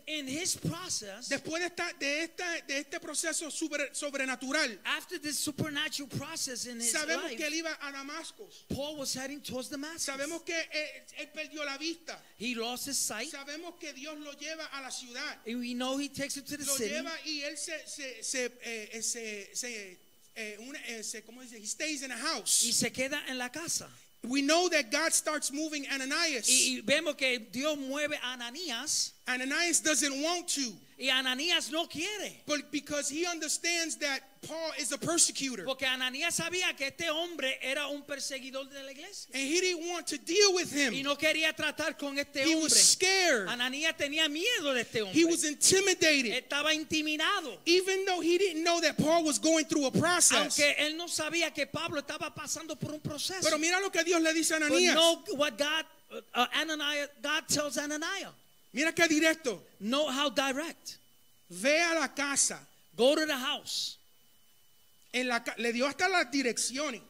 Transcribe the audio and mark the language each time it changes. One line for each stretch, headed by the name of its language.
English: in his process,
Spanish: después de este proceso sobrenatural,
English: after this supernatural process in his
Spanish: sabemos
English: life,
Spanish: que él iba a Damasco.
English: Paul was heading towards Damascus.
Spanish: Sabemos que él perdió la vista.
English: He lost his sight.
Spanish: Sabemos que Dios lo lleva a la ciudad.
English: And we know he takes him to the
Spanish: lo
English: city.
Spanish: Lo lleva y él se ¿cómo dice?
English: He stays in a house.
Spanish: Y se queda en la casa.
English: We know that God starts moving Ananias.
Spanish: Y vemos que Dios mueve a Ananias.
English: Ananias doesn't want to.
Spanish: Y Ananías no quiere.
English: But because he understands that Paul is a persecutor.
Spanish: Porque Ananías sabía que este hombre era un perseguidor de la iglesia.
English: And he didn't want to deal with him.
Spanish: Y no quería tratar con este hombre.
English: He was scared.
Spanish: Ananías tenía miedo de este hombre.
English: He was intimidated.
Spanish: Estaba intimidado.
English: Even though he didn't know that Paul was going through a process.
Spanish: Aunque él no sabía que Pablo estaba pasando por un proceso. Pero mira lo que Dios le dice a Ananías.
English: But know what God tells Ananías.
Spanish: Mira qué directo.
English: Know how direct.
Spanish: Ve a la casa.
English: Go to the house.
Spanish: Le dio hasta las direcciones.